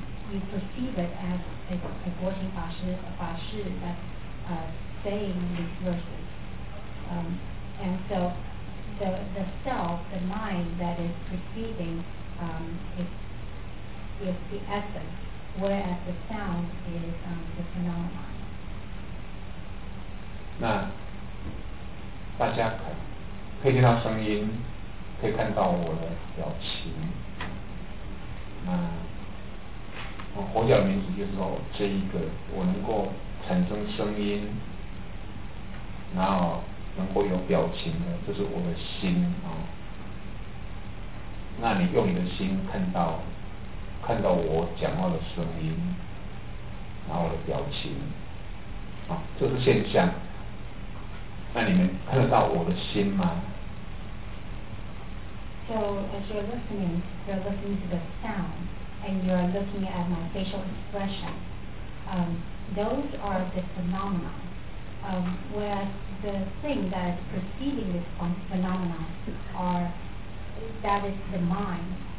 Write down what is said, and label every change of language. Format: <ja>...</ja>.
<en>You perceive it as a voicing ba shi that saying these verses. And so the self, the mind that is perceiving is the essence, whereas the sound is the phenomenon.</en> <zh>那大家可以听到声音，可以看到我的表情。那佛教的名词就是说，这一个我能够产生声音，然后能够有表情的，这是我的心啊。那你用你的心看到我讲话的声音，然后我的表情啊，这是现象。那你们看得到我的心吗？</zh> <en>So as you're listening to the sound, and you're looking at my facial expression, those are the phenomena. Whereas the thing that is perceiving this phenomena is the mind.</en>